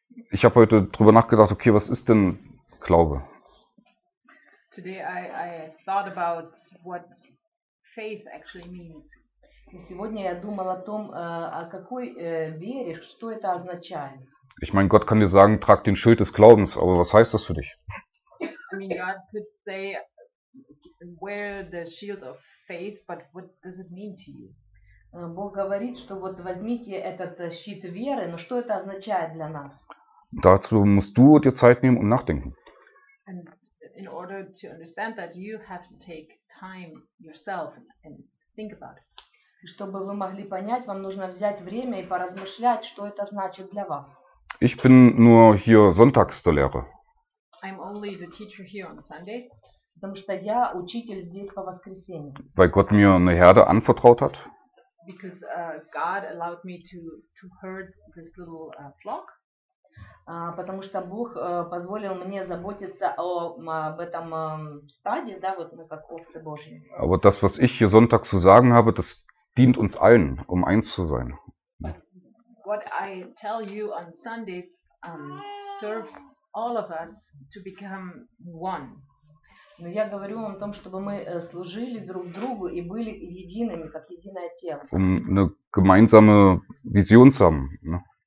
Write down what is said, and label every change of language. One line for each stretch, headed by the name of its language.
German: Ich habe heute drüber nachgedacht, okay, was ist denn Glaube?
English: Today I thought about what faith actually means.
Russian: И сегодня я думал о том, о какой веришь, что это означает.
German: Ich meine, Gott kann dir sagen, trag den Schild des Glaubens, aber was heißt das für dich?
English: I mean, God could say, wear the shield of faith, but what does it mean to you?
Russian: Бог говорит, что вот возьмите этот щит веры, но что это означает для нас?
German: Dazu musst du dir Zeit nehmen und nachdenken.
English: In order to understand that, you have to take time yourself and think about it.
Russian: Чтобы вы могли понять, вам нужно взять время и поразмышлять, что это значит для вас.
German: Ich bin nur hier sonntags der Lehrer.
English: I'm only the teacher here on Sundays.
Russian: Потому что я учитель здесь по воскресеньям.
German: Weil Gott mir eine Herde anvertraut hat.
English: Because God allowed me to herd this little flock.
Russian: Потому что Бог позволил мне заботиться об этом стаде, да, вот мы как овцы Божьи.
German: Aber das, was ich hier sonntags zu sagen habe, das dient uns allen, um eins zu sein.
English: What I tell you on Sundays serves all of us to become one.
Russian: Но я говорю вам о том, чтобы мы служили друг другу и были едиными, как единое тело.
German: Um eine gemeinsame Vision zu haben, ne?